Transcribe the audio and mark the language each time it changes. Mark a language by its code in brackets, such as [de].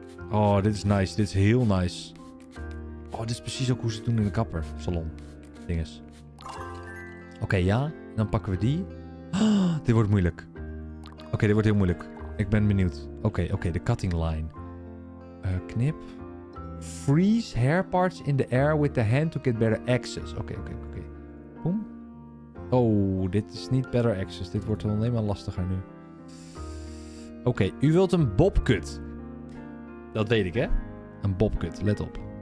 [nl] Oh, dit is nice. Dit is heel nice. Oh, dit is precies ook hoe ze het doen in de kapper. Salon. Dinges. Oké, okay, ja. Dan pakken we die. Oh, dit wordt moeilijk. Oké, okay, dit wordt heel moeilijk. Ik ben benieuwd. Oké, okay, oké, okay, de cutting line. Knip. [en] Freeze hair parts in the air with the hand to get better access. [nl] Oké, okay, oké, okay, oké. Okay. Boom. Oh, dit is niet [en] better access. [nl] Dit wordt alleen maar lastiger nu. Oké, okay, u wilt een bobcut. Dat weet ik, hè? Een bobcut, let op.